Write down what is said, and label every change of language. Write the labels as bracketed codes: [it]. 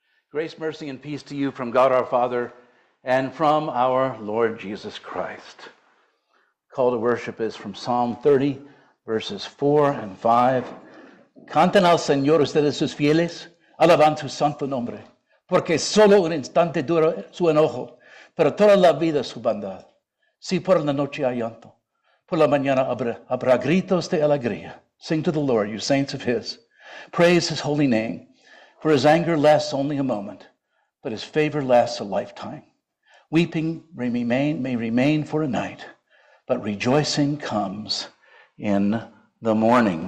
[en] Grace, mercy, and peace to you from God our Father and from our Lord Jesus Christ. Call to worship is from Psalm 30, verses 4 and 5. [es] Canten al Señor ustedes sus fieles, alaban su santo nombre, porque solo un instante dura su enojo, pero toda la vida su bondad. Si por la noche hay llanto, por la mañana habrá gritos de alegría. [en] Sing to the Lord, you saints of his. Praise his holy name. For his anger lasts only a moment, but his favor lasts a lifetime. Weeping may remain for a night, but rejoicing comes in the morning.